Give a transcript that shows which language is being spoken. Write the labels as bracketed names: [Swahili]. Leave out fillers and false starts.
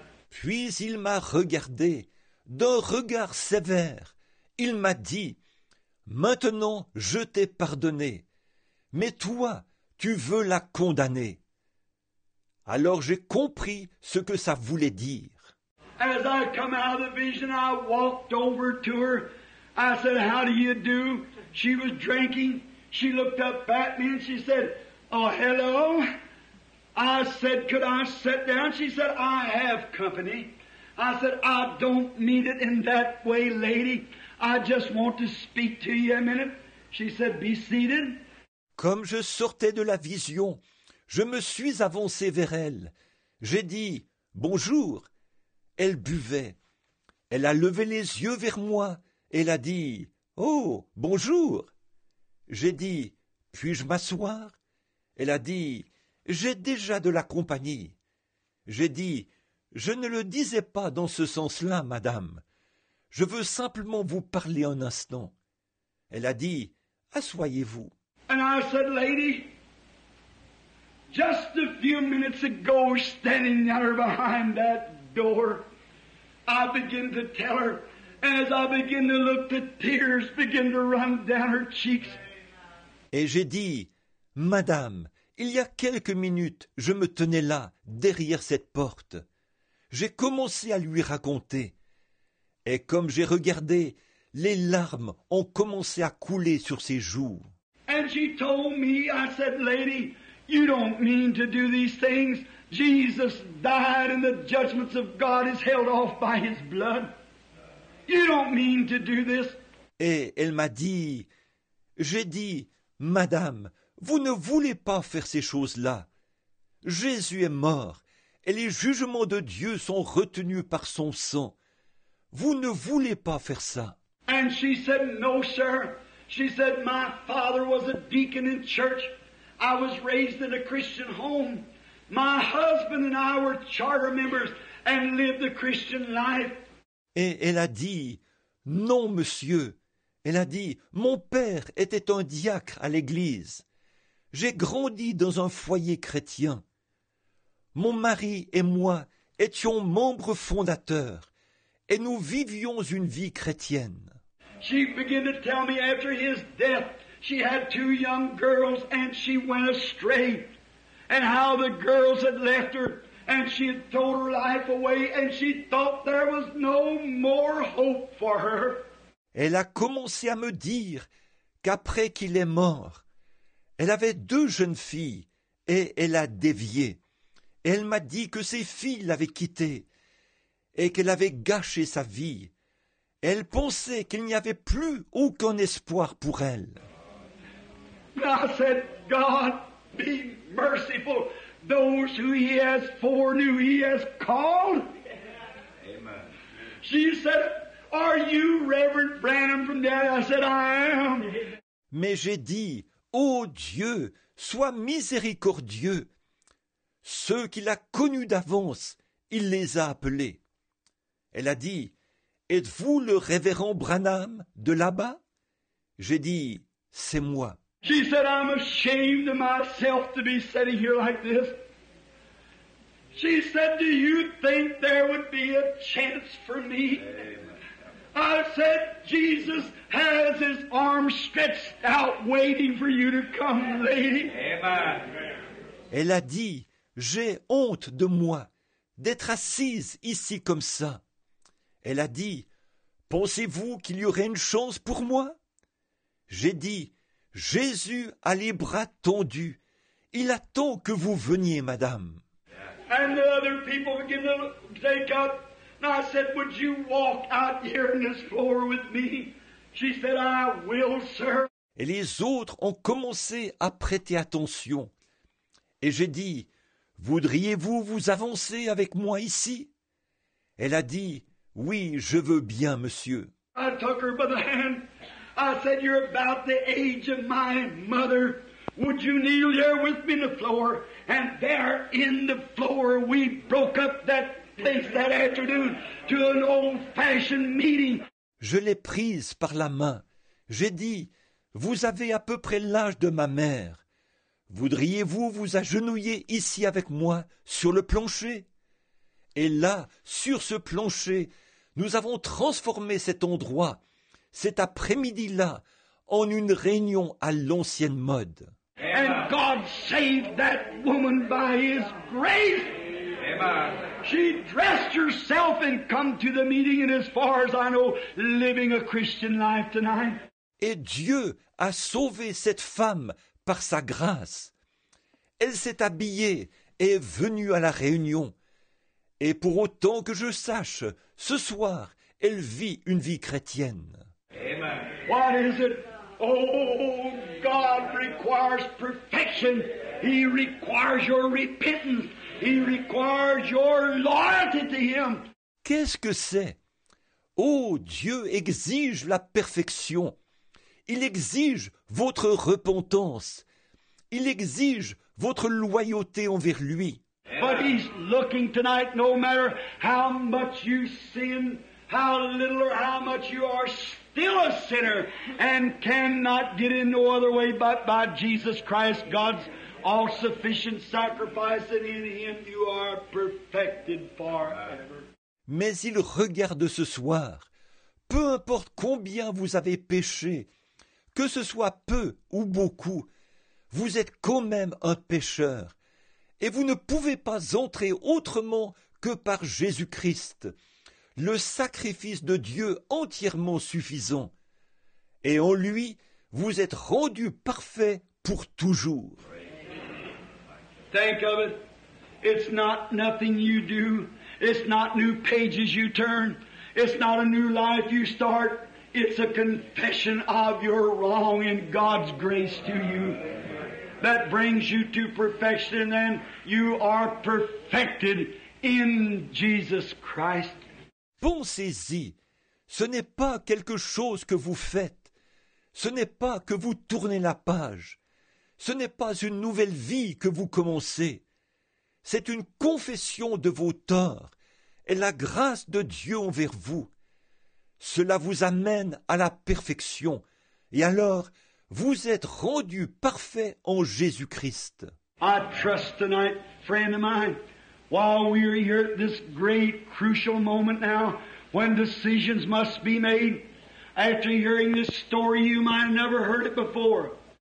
[French] Puis il m'a regardé d'un regard sévère. Il m'a dit, maintenant je t'ai pardonné, mais toi, tu veux la condamner. Alors j'ai compris ce que ça voulait dire. [English] As I come out of the vision, I walked over to her. I said, how do you do? She was drinking. She looked up at me and she said, oh, hello. I said, could I sit down? She said, I have company. I said, I don't mean it in that way, lady. I just want to speak to you a minute. She said, be seated. [French] Comme je sortais de la vision, je me suis avancé vers elle. J'ai dit, bonjour. Elle buvait. Elle a levé les yeux vers moi. Elle a dit, oh, bonjour. J'ai dit, puis-je m'asseoir? Elle a dit, j'ai déjà de la compagnie. J'ai dit, je ne le disais pas dans ce sens-là, madame. Je veux simplement vous parler un instant. Elle a dit, asseyez-vous. [English] And I said, lady, just a few minutes ago, standing there behind that door, I began to tell her, as I began to look, the tears began to run down her cheeks. [French] Et j'ai dit, madame, il y a quelques minutes, je me tenais là, derrière cette porte. J'ai commencé à lui raconter. Et comme j'ai regardé, les larmes ont commencé à couler sur ses joues. [English] And she told me, I said, lady, you don't mean to do these things. Jesus died and the judgments of God is held off by his blood. You don't mean to do this. [French] Et elle m'a dit, j'ai dit, madame, vous ne voulez pas faire ces choses-là. Jésus est mort et les jugements de Dieu sont retenus par son sang. Vous ne voulez pas faire ça. [English] And she said, no, sir. She said, my father was a deacon in church. I was raised in a Christian home. My husband and I were charter members and lived the Christian life. [French] Et elle a dit, non, monsieur. Elle a dit, mon père était un diacre à l'église. J'ai grandi dans un foyer chrétien. Mon mari et moi étions membres fondateurs et nous vivions une vie chrétienne. [English] She began to tell me after his death, she had two young girls and she went astray. And how the girls had left her and she had thrown her life away and she thought there was no more hope for her. [French] Elle a commencé à me dire qu'après qu'il est mort, elle avait deux jeunes filles et elle a dévié. Elle m'a dit que ses filles l'avaient quittée et qu'elle avait gâché sa vie. Elle pensait qu'il n'y avait plus aucun espoir pour elle. [English] I said, God, be merciful. Those who he has foreknew, he has called. Amen. She said, are you Reverend Branham from there? I said, I am. [French] Mais j'ai dit, ô Dieu, sois miséricordieux. Ceux qu'il a connus d'avance, il les a appelés. Elle a dit, êtes-vous le révérend Branham de là-bas? J'ai dit, c'est moi. [English] She said, I'm ashamed of myself to be sitting here like this. She said, do you think there would be a chance for me? Amen. I said, Jesus has his arms stretched out waiting for you to come, lady. Amen. [French] Elle a dit, j'ai honte de moi d'être assise ici comme ça. Elle a dit, pensez-vous qu'il y aurait une chance pour moi? J'ai dit, Jésus a les bras tendus. Il attend que vous veniez, madame. [English] And the other people began to take up. And I said, would you walk out here on this floor with me? She said, I will, sir. [French] Et les autres ont commencé à prêter attention. Et j'ai dit, voudriez-vous vous avancer avec moi ici? Elle a dit, oui, je veux bien, monsieur. [English] I took her by the hand. I said, you're about the age of my mother. Would you kneel there with me in the floor? And there in the floor, we broke up that place that afternoon to an old-fashioned meeting. [French] Je l'ai prise par la main. J'ai dit, vous avez à peu près l'âge de ma mère. Voudriez-vous vous agenouiller ici avec moi, sur le plancher? Et là, sur ce plancher, nous avons transformé cet endroit, cet après-midi-là, en une réunion à l'ancienne mode. [English] And God saved that woman by His grace. Amen. She dressed herself and come to the meeting, and as far as I know, living a Christian life tonight. [French] Et Dieu a sauvé cette femme par sa grâce. Elle s'est habillée et est venue à la réunion. Et pour autant que je sache, ce soir, elle vit une vie chrétienne. Amen. [English] What is it? Oh, God requires perfection. He requires your repentance. He requires your loyalty to Him. [French] Qu'est-ce que c'est? Oh, Dieu exige la perfection. Il exige votre repentance. Il exige votre loyauté envers Lui. [English] But He's looking tonight, no matter how much you sin, how little or how much you are still a sinner and cannot get in no other way but by Jesus Christ, God's all-sufficient sacrifice, and in Him you are perfected forever. [French] Mais il regarde ce soir, peu importe combien vous avez péché, que ce soit peu ou beaucoup, vous êtes quand même un pécheur, et vous ne pouvez pas entrer autrement que par Jésus-Christ. Le sacrifice de Dieu entièrement suffisant. Et en lui, vous êtes rendu parfait pour toujours. [English] Think of it. It's not nothing you do. It's not new pages you turn. It's not a new life you start. It's a confession of your wrong and God's grace to you. That brings you to perfection and you are perfected in Jesus Christ. [French] Pensez-y, ce n'est pas quelque chose que vous faites, ce n'est pas que vous tournez la page, ce n'est pas une nouvelle vie que vous commencez, c'est une confession de vos torts et la grâce de Dieu envers vous. Cela vous amène à la perfection et alors vous êtes rendu parfait en Jésus-Christ. [English] I trust tonight, friend of mine. While we are here at this great crucial moment now, when decisions must be made, after hearing this story, you might have never heard it before.